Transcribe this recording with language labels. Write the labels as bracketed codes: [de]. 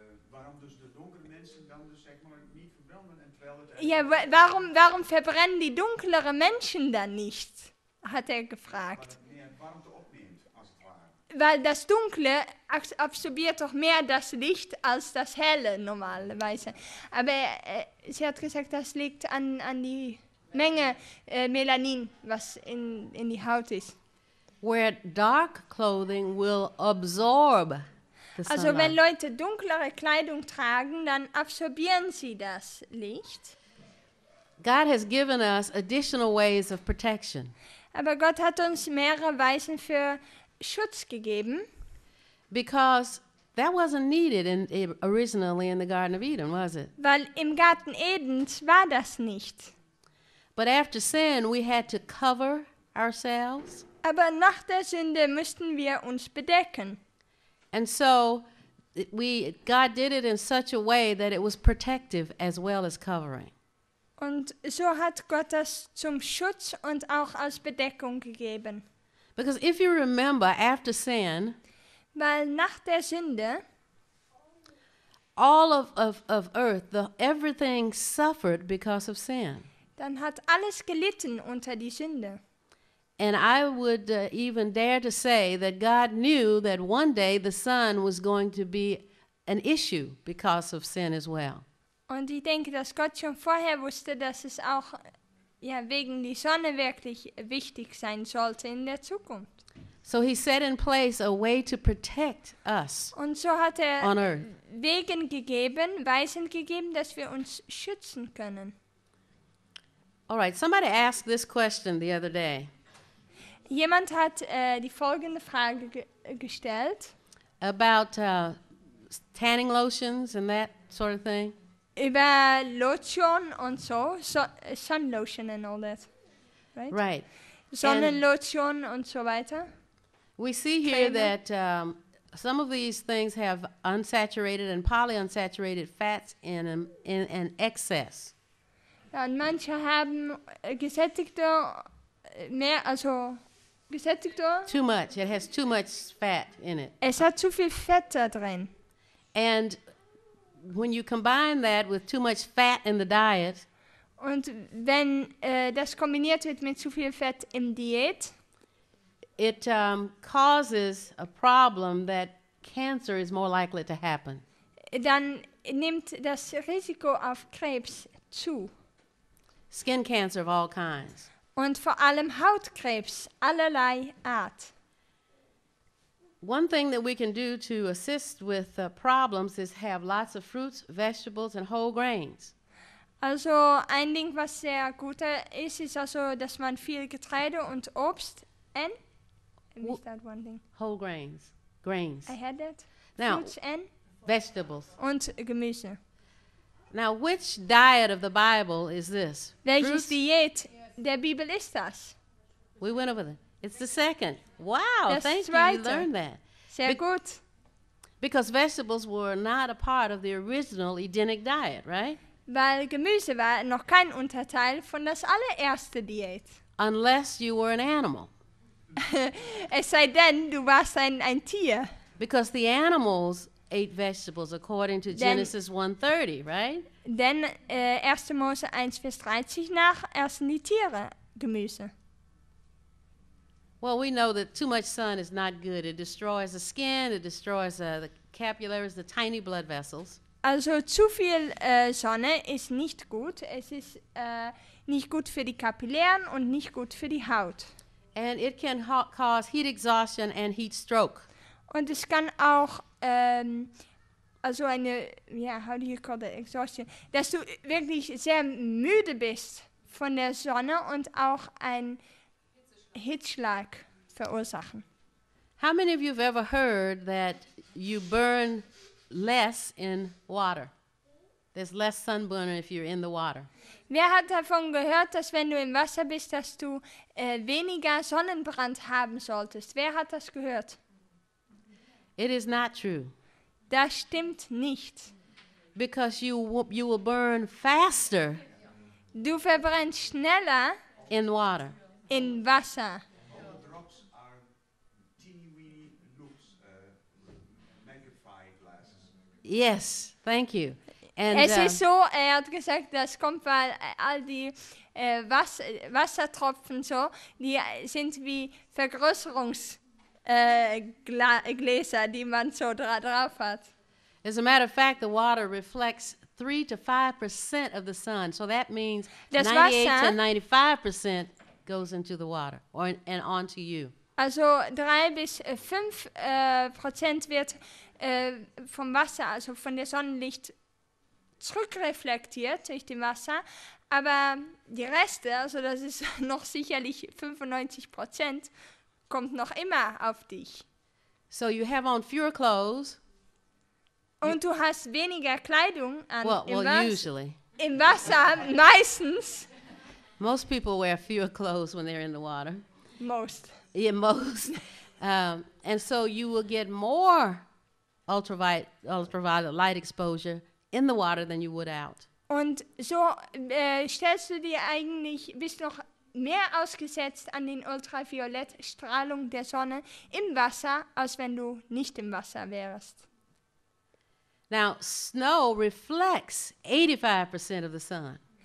[nl] Warum dus de donkere mensen dan dus zeg maar niet verbranden en terwijl [de] het. Ja, warum verbrennen die dunkleren Menschen dann nicht? Hat gefragt. [nl] Weil warmte opneemt als het ware. [de] Weil das Dunkle absorbiert doch mehr das Licht als das Helle normalerweise. Aber sie hat gesagt, das liegt an die Menge Melanin, was in die Haut ist. [en] Where dark clothing will absorb the sunlight. [de] Also wenn Leute dunklere Kleidung tragen, dann absorbieren sie das Licht. [en] God has given us additional ways of protection. [de] Aber Gott hat uns mehrere Weisen für Schutz gegeben. [en] Because that wasn't needed originally in the Garden of Eden, was it? [de] Weil im Garten Edens war das nicht. [en] But after sin, we had to cover ourselves. [de] Aber nach der Sünde müssten wir uns bedecken. [en] And so, God did it in such a way that it was protective as well as covering. [de] Und so hat Gott das zum Schutz und auch als Bedeckung gegeben. [en] Because if you remember, after sin, [de] weil nach der Sünde, [en] all of earth, everything suffered because of sin. [de] Dann hat alles gelitten unter die Sünde. [en] And I would even dare to say that God knew that one day the Son was going to be an issue because of sin as well. [de] Und ich denke, dass Gott schon vorher wusste, dass es auch ja, wegen die Sonne wirklich wichtig sein sollte in der Zukunft. [en] So he set in place a way to protect us. [de] Und so hat er [en] on earth. [de] Wegen gegeben, Weisen gegeben, dass wir uns schützen können. [en] All right, somebody asked this question the other day. [de] Jemand hat die folgende Frage gestellt. [en] About tanning lotions and that sort of thing. [de] Über Lotion und so, [en] Sun Lotion and all that, right? Right. [de] Sonnenlotion und so weiter. [en] We see here Creme. That some of these things have unsaturated and polyunsaturated fats in them in an excess. [de] Ja, und manche haben gesättigte, mehr, also gesättigte. [en] Too much. It has too much fat in it. [de] Es hat zu viel Fett da drin. [en] And when you combine that with too much fat in the diet, [de] und wenn das kombiniert wird mit zu viel Fett im Diät, [en] it causes a problem that cancer is more likely to happen. [de] Dann nimmt das Risiko auf Krebs zu. [en] Skin cancer of all kinds. [de] Und vor allem Hautkrebs allerlei Art. [en] One thing that we can do to assist with problems is have lots of fruits, vegetables, and whole grains. [de] Also, ein Ding, was sehr gut ist, ist also, dass man viel Getreide und Obst and [en] whole grains. Grains. I had that. Now, fruits and vegetables. [de] Und Gemüse. [en] Now, which diet of the Bible is this? [de] Welches Diät der Bibel ist das? [en] We went over that. It's the second. Wow, [de] das [en] thank you, you learned that. [de] Sehr gut. [en] Because vegetables were not a part of the original Edenic diet, right? [de] Weil Gemüse war noch kein Unterteil von das allererste Diät. [en] Unless you were an animal. [de] Es sei denn, du warst ein Tier. [en] Because the animals ate vegetables according to Genesis 1:30, right? [de] Denn 1. Mose 1, Vers 30 nach essen die Tiere Gemüse. [en] Well, we know that too much sun is not good. It destroys the skin, it destroys the capillaries, the tiny blood vessels. [de] Also, zu viel Sonne ist nicht gut. Es ist nicht gut für die Kapillaren und nicht gut für die Haut. [en] And it can cause heat exhaustion and heat stroke. [de] Und es kann auch, also eine, [en] yeah, how do you call that, exhaustion, [de] dass du wirklich sehr müde bist von der Sonne und auch ein Hitzschlag verursachen. [en] How many of you have ever heard that you burn less in water? There's less sunburn if you're in the water. [de] Wer hat davon gehört, dass wenn du im Wasser bist, dass du weniger Sonnenbrand haben solltest? Wer hat das gehört? [en] It is not true. [de] Das stimmt nicht. [en] Because you will burn faster. [de] Du verbrennst schneller [en] in water. [de] In Wasser. [en] All the drops are teeny-weeny loops, magnifying glasses. Yes, thank you. [de] And es ist so, er hat gesagt, das kommt, weil all die Wassertropfen so, die sind wie Vergrößerungsgläser, die man so drauf hat. [en] As a matter of fact, the water reflects 3-5% of the sun, so that means 98-95% goes into the water or and onto you. [de] Also 3-5% Prozent wird vom Wasser, also von der Sonnenlicht zurückreflektiert durch dem Wasser, aber die Reste, also das ist noch sicherlich 95%, kommt noch immer auf dich. [en] So you have on fewer clothes. [de] Und du hast weniger Kleidung an. [en] Well, usually. [de] Im Wasser meistens. [en] Most people wear fewer clothes when they're in the water. Most. Yeah, most. And so you will get more ultraviolet light exposure in the water than you would out. [de] Und so stellst du dir eigentlich, bist noch mehr ausgesetzt an den Ultraviolettstrahlung der Sonne im Wasser, als wenn du nicht im Wasser wärst. [en] Now, snow reflects 85% of the sun.